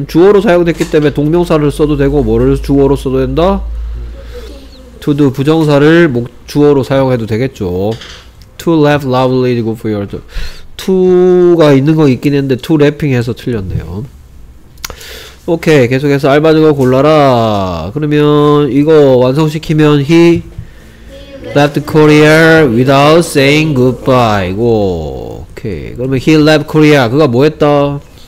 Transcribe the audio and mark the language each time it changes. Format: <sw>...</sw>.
<ko>지금 주어로 사용됐기 때문에 동명사를 써도 되고 뭐를 주어로 써도 된다? to do 부정사를 주어로 사용해도 되겠죠.</ko> <en>to laugh loudly is good for your health.</en> <ko>to가 있는 거 있긴 했는데 to laughing해서 틀렸네요. 오케이, 계속해서 알바는 거 골라라. 그러면 이거 완성시키면</ko> <en>he left Korea without saying goodbye. 고. 오케이.</en> <ko>그러면</ko> <en>he left Korea.</en> <ko>그가 뭐 했다?</ko>